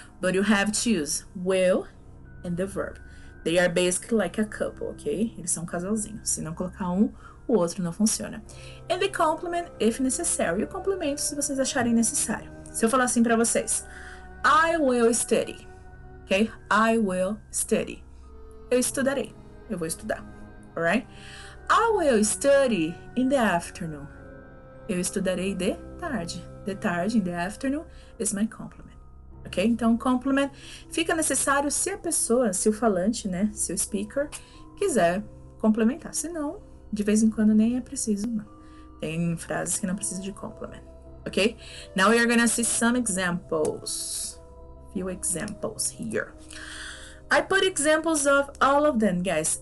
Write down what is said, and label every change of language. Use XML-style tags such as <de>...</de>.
<en>But you have to use will and the verb. They are basically like a couple, ok?</en> <pt>Eles são um casalzinho. Se não colocar um, o outro não funciona.</pt> <en>And the complement, if necessary.</en> <pt>O complemento, se vocês acharem necessário. Se eu falar assim para vocês,</pt> <en>I will study.</en> <pt>Ok?</pt> <en>I will study.</en> <pt>Eu estudarei. Eu vou estudar. Alright?</pt> <en>I will study in the afternoon.</en> <pt>Eu estudarei de tarde. De tarde,</pt> <en>in the afternoon, is my complement. Ok?</en> <pt>Então, complement fica necessário se a pessoa, se o falante, né? Se o speaker quiser complementar. Se não, de vez em quando nem é preciso. Não. Tem frases que não precisam de complement. Ok?</pt> <en>Now we are going to see some examples. Few examples here. I put examples of all of them, guys.</en>